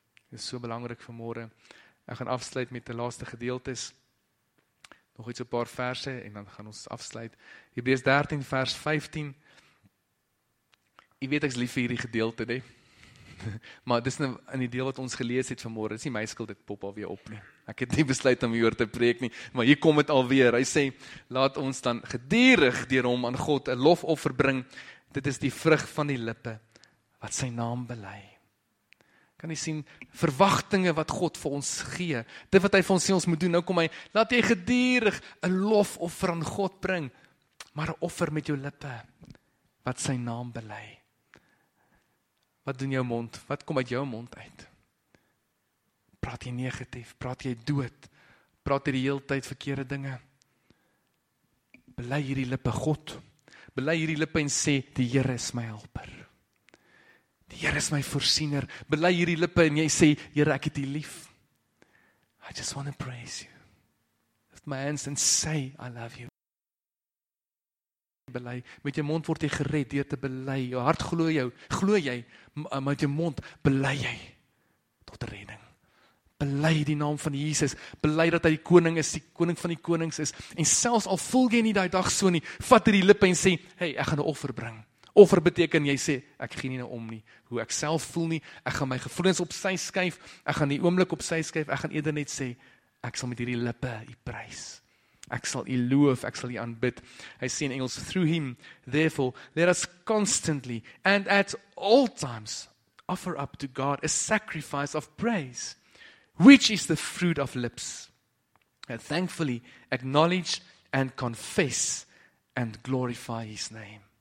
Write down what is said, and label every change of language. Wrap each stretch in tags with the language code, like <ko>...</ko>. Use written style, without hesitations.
<af>Dit is so belangrik vir môre. Ek gaan afsluit met die laaste gedeeltes. Nog iets 'n paar verse en dan gaan ons afsluit. Hebreërs 13 vers 15. Jy weet ek's lief vir hierdie gedeelte, nê? Maar dis nou in die deel wat ons gelees het vanmôre, dis nie my skuld dit pop al weer op nie. Ek het nie besluit om hieroor te preek nie, maar hier kom het alweer. Hy sê, laat ons dan gedurig deur hom aan God 'n lofoffer bring. Dit is die vrug van die lippe wat sy naam bely. Kan jy sien, verwagtinge wat God vir ons gee, dit wat hy vir ons sê ons moet doen, nou kom hy, laat jy gedurig 'n lofoffer aan God bring, maar 'n offer met jou lippe wat sy naam bely. Wat doen jou mond? Wat kom uit jou mond uit? Praat jy negatief? Praat jy dood? Praat jy die hele tyd verkeerde dinge? Bely hierdie lippe God. Bely hierdie lippe en sê, die Here is my helper. Die Here is my voorsiener. Bely hierdie lippe en jy sê, Here, ek het U lief.</af> <en>I just want to praise you. With my hands and say, I love you.</en> <af>Bely. Met jou mond word jy gered deur te bely. Jou hart glo jou. Glo jy? Met jou mond bely jy tot redding. Bely die naam van Jesus. Bely dat hy die koning is, die koning van die konings is. En selfs al voel jy nie daai dag so nie, vat hierdie lippe en sê, hey, ek gaan 'n offer bring. Offer beteken, jy sê, ek gee nie nou om nie. Hoe ek self voel nie, ek gaan my gevoelens op sy skuif, ek gaan die oomblik op sy skuif, ek gaan eerder net sê, ek sal met hierdie lippe U prys. Ek sal U loof, ek sal U aanbid. Hy sê in Engels,</af> <en>through Him, therefore, let us constantly and at all times offer up to God a sacrifice of praise, which is the fruit of lips that thankfully acknowledge and confess and glorify His name.</en>